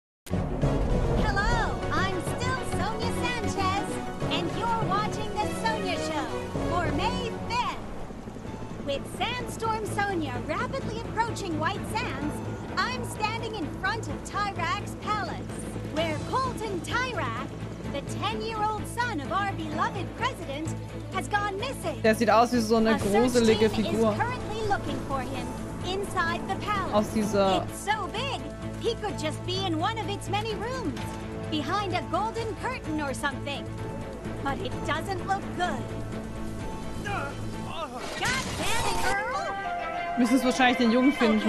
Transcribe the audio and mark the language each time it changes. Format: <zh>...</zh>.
<en>Hello, I'm still Sonya Sanchez and you're watching the Sonya Show for May 5th. With Sandstorm Sonya rapidly approaching White Sands, I'm standing in front of Tyrak's palace, where Colton Tyrak, the 10-year-old son of our beloved president, has gone missing.</en> <de>Der sieht aus wie so eine gruselige Figur.</de> <en>Currently looking for him inside the palace.</en> <de>Aus dieser...</de> <en>It's so big, he could just be in one of its many rooms, behind a golden curtain or something. But it doesn't look good. God damn it, girl!</en> <de>Müssen es wahrscheinlich den Jungen finden,</de>